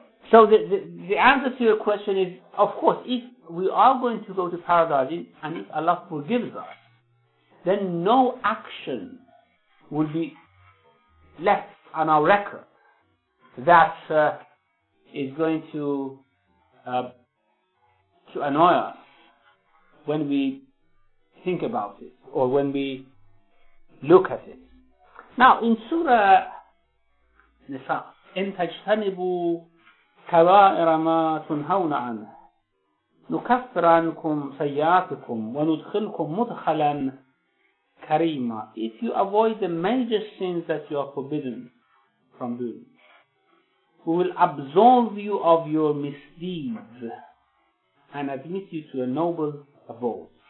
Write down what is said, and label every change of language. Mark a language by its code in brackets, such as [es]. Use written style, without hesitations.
[en] So the answer to your question is, of course, if we are going to go to paradise and if Allah forgives us, then no action will be left on our record that is going to annoy us when we think about it or when we look at it. Now, in Surah Nisa, [ar] إِن تَجْتَنِبُوا كَبَائِرَ مَا تُنْهَوْنَ عَنْهُ نُكَفِّرْ عَنْكُمْ سَيِّئَاتِكُمْ وَنُدْخِلْكُمْ مُدْخَلًا كَرِيمًا. [en] If you avoid the major sins that you are forbidden from doing, we will absolve you of your misdeeds and admit you to a noble abode.